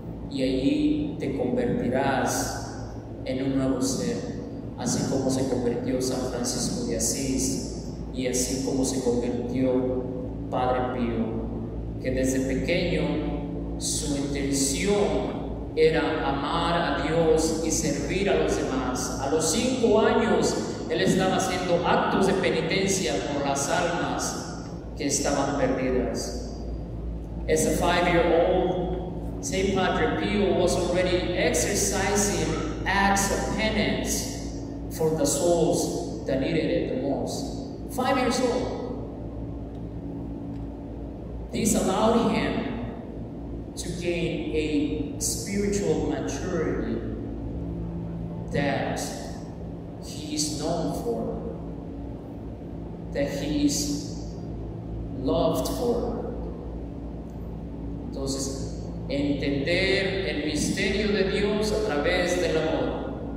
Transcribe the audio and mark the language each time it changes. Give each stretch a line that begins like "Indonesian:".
Spanish: Y allí te convertirás en un nuevo ser, así como se convirtió San Francisco de Asís y así como se convirtió Padre Pio, que desde pequeño su intención era amar a Dios y servir a los demás. A los 5 años él estaba haciendo actos de penitencia por las almas que estaban perdidas.
English: As a 5-year-old, Saint Padre Pio was already exercising acts of penance for the souls that needed it the most. 5 years old. This allowed him to gain a spiritual maturity that he is known for, that he is loved for.
Spanish: Entonces, entender el misterio de Dios a través del amor.